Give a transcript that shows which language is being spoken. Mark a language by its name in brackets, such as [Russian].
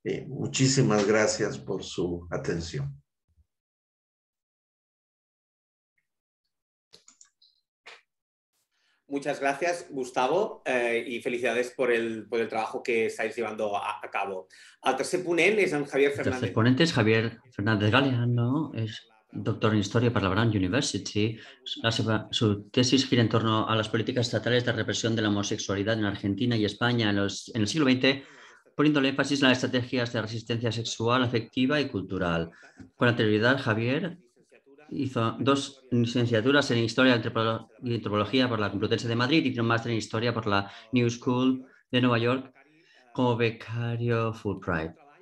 [Spanish] Muchísimas gracias por su atención. Muchas gracias, Gustavo, y felicidades por el trabajo que estáis llevando a cabo. [Catalan] El tercer ponent és en Javier Fernández. El tercer ponent és Javier Fernández Galeano, és doctor en Història per la Brown University. [Spanish] Su tesis gira en torno a las políticas estatales de represión de la homosexualidad en Argentina y España en el siglo XX, poniéndole énfasis en las estrategias de resistencia sexual, afectiva y cultural. Con anterioridad, Javier hizo dos licenciaturas en Historia y Antropología por la Complutense de Madrid y un máster en Historia por la New School de Nueva York como becario Fulbright.